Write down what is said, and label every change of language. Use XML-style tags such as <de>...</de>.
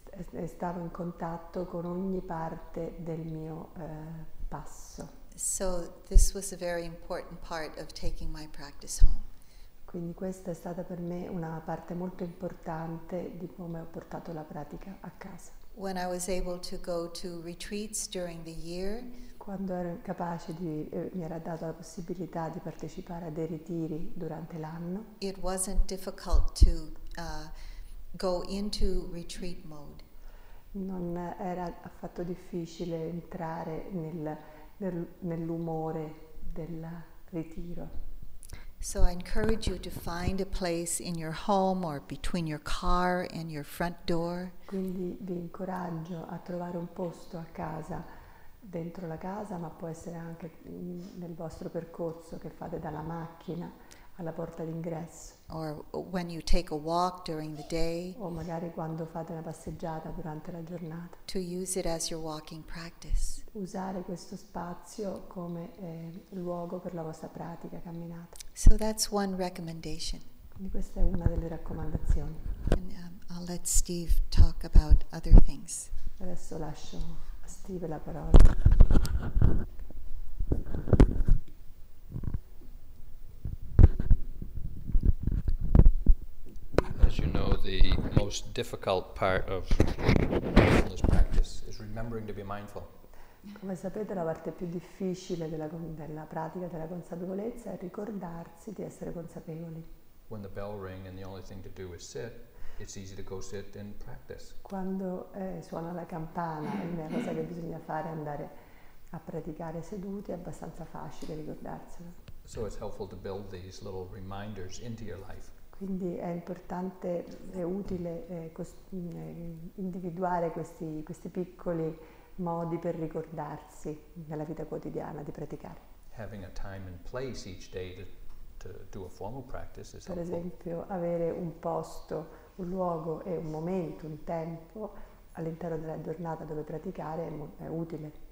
<it>E stavo in contatto con ogni parte del mio passo.</it> <en>So this was a very important part of taking my practice home.</en> <it>Quindi questa è stata per me una parte molto importante di come ho portato la pratica a casa.</it> <en>When I was able to go to retreats during the year,</en> <it>quando ero capace di mi era data la possibilità di partecipare a dei ritiri durante l'anno,</it> <en>it wasn't difficult to go into retreat mode.</en> <it>Non era affatto difficile entrare nell'umore del ritiro.</it> <en>So I encourage you to find a place in your home or between your car and your front door.</en> <it>Quindi vi incoraggio a trovare un posto a casa, dentro la casa, ma può essere anche nel vostro percorso che fate dalla macchina alla porta d'ingresso.</it> <en>Or when you take a walk during the day.</en> <it>O magari quando fate una passeggiata durante la giornata.</it> <en>To use it as your walking practice.</en> <it>Usare questo spazio come luogo per la vostra pratica camminata.</it> <en>So that's one recommendation.</en> <it>Quindi questa è una delle raccomandazioni.</it> <en>And, I'll let Steve talk about other things.</en> <it>Adesso lascio a Steve la parola.</it> <en>As you know, the most difficult part of mindfulness practice is remembering to be mindful.</en> <it>Come sapete, la parte più difficile della pratica della consapevolezza è ricordarsi di essere consapevoli.</it> <en>When the bell rings and the only thing to do is sit, it's easy to go sit and practice.</en> <it>Quando suona la campana e la cosa che bisogna fare è andare a praticare seduti, è abbastanza facile ricordarselo.</it> <en>So it's helpful to build these little reminders into your life.</en> <it>Quindi è importante e utile individuare questi piccoli modi per ricordarsi nella vita quotidiana di praticare.</it> <en>Having a time and place each day to do a formal practice is</en> <it>per</it> <en>helpful.</en> <it>Esempio, avere un posto, un luogo e un momento, un tempo all'interno della giornata dove praticare è utile.</it>